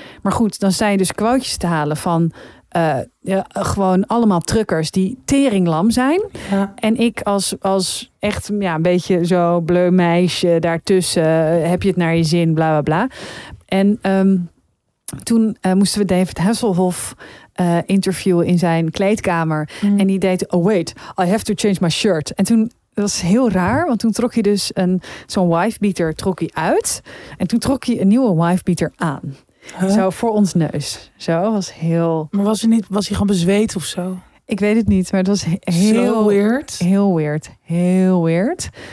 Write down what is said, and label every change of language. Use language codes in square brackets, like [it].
[nl] Maar goed, dan sta je dus quotejes te halen van gewoon allemaal truckers die teringlam zijn. Ja. En ik als echt een beetje zo bleu meisje daartussen, heb je het naar je zin, bla bla bla. En toen moesten we David Hasselhoff interviewen in zijn kleedkamer. Mm. En die deed, [en] oh wait, I have to change my shirt. [nl] En toen, dat was heel raar, want toen trok hij dus zo'n wifebeater trok hij uit. En toen trok hij een nieuwe wifebeater aan. Huh? Zo voor ons neus. Zo, was heel... Maar was hij gewoon bezweet of zo? Ik weet het niet, maar het was heel... Zo weird. Heel weird. Heel weird.